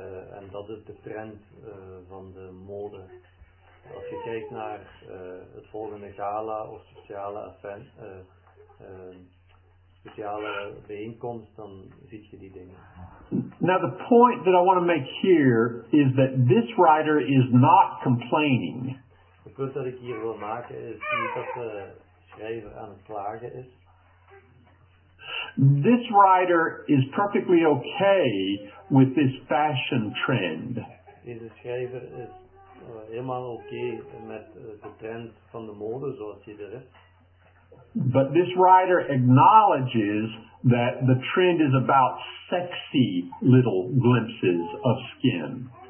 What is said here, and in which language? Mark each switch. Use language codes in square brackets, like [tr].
[nl] En dat is de trend van de mode. Als je kijkt naar het volgende gala of sociale event, speciale bijeenkomst, dan zie je die dingen. [en] Now the point that I want to make here is that this writer is not complaining. [nl] Het punt dat ik hier wil maken is niet dat de schrijver aan het klagen is. [en] This writer is perfectly okay with this fashion trend. [nl] Deze schrijver is helemaal oké met de trend van de mode zoals die er is. [en] But this writer acknowledges that the trend is about sexy little glimpses of skin.